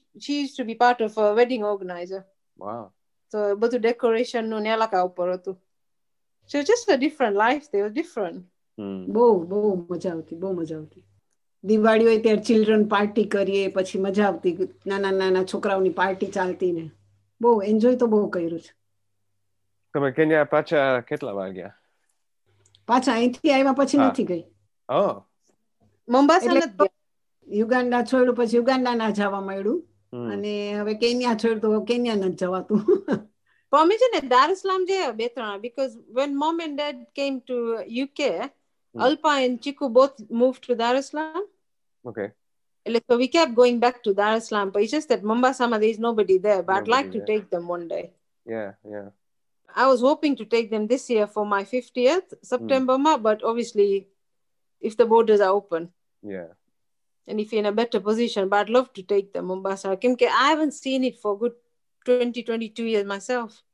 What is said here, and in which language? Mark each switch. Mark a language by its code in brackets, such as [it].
[en] She used to be part of a wedding organizer. Wow. So [gu] bodu decoration nu ne ala ka upar hatu, [en] so just a different life, they were different. [gu] Bo majavti. Diwali હોય ત્યારે children party કરીએ, પછી મજા આવતી, નાના નાના છોકરાઓની party ચાલતી ને, બહુ એન્જોય તો બહુ કર્યું છે. તમે કેન્યા પાછા કેટલા વાગ્યા? પાછા અહીંથી આવ્યા પછી નથી ગઈ. ઓ, મંબાસા નથી. યુગાન્ડા છોડ્યું પછી યુગાન્ડા ના જવા માંડ્યું, અને હવે કેન્યા છોડ્યું તો કેન્યા ન જ જવાતું. પમે છે ને દાર એસ સલામ જે બે ત્રણ, [en] Because when mum and dad came to UK, Alpa and Chiku both moved to Dar es Salaam. Okay. So we kept going back to Dar es Salaam, but it's just that Mombasa, there's nobody there, but nobody, I'd like to take them one day. Yeah. I was hoping to take them this year for my 50th September, but obviously if the borders are open. Yeah. And if you're in a better position, but I'd love to take them, Mombasa. I haven't seen it for a good 20, 22 years myself.